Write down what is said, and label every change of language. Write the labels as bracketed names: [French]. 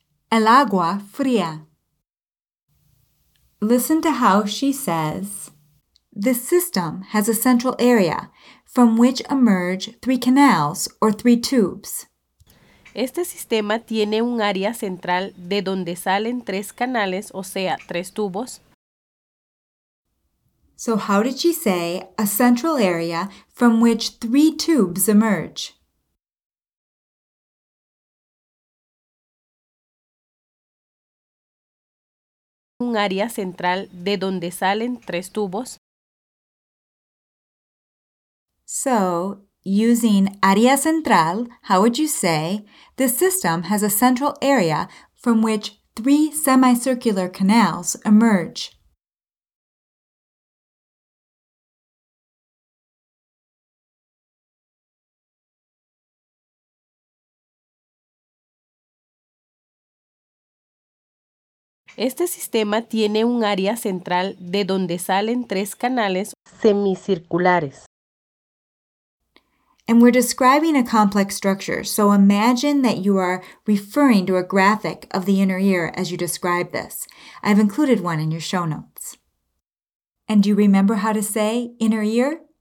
[Spanish] El agua fría. [English] Listen to how she says, the system has a central area from which emerge three canals or three tubes. [Spanish] Este sistema tiene un área central de donde salen tres canales, o sea, tres tubos. [English] So how did she say a central area from which three tubes emerge? [Spanish] Un área central de donde salen tres tubos. [English] So, using área central, how would you say the system has a central area from which three semicircular canals emerge? [Spanish] Este sistema tiene un área central de donde salen tres canales semicirculares. [English] And we're describing a complex structure, so imagine that you are referring to a graphic of the inner ear as you describe this. I've included one in your show notes. And do you remember how to say inner ear?